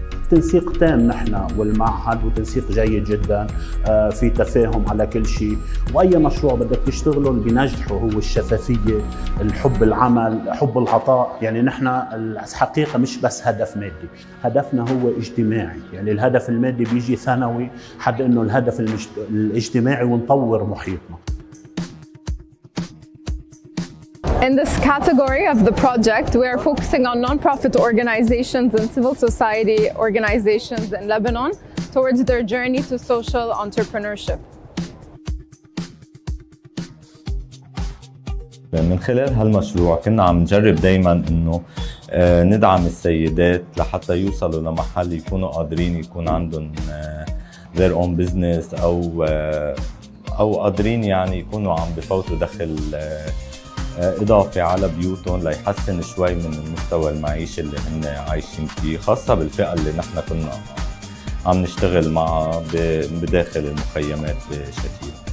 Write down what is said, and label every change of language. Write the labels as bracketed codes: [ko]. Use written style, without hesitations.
[ar] تنسيق تام نحن والمعهد وتنسيق جيد جدا، في تفاهم على كل شيء، واي مشروع بدك تشتغله بنجحه هو الشفافيه، الحب العمل، حب العطاء. يعني نحن الحقيقه مش بس هدف مادي، هدفنا هو اجتماعي. يعني الهدف المادي بيجي ثانوي حد انه الهدف الاجتماعي ونطور محيطنا. [en] In this category of the project, we are focusing on non-profit organizations and civil society organizations in Lebanon towards their journey to social entrepreneurship. [ar] من خلال هالمشروع كنا عم نجرب دائما انه ندعم السيدات لحتى يوصلوا لمحل يكونوا قادرين يكون عندهم [en] their own business [ar] او قادرين يعني يكونوا عم بفوتوا دخل إضافة على بيوتهم ليحسن شوي من المستوى المعيش اللي هن عايشين فيه، خاصة بالفئة اللي نحن كنا عم نشتغل معها بداخل المخيمات بشكل.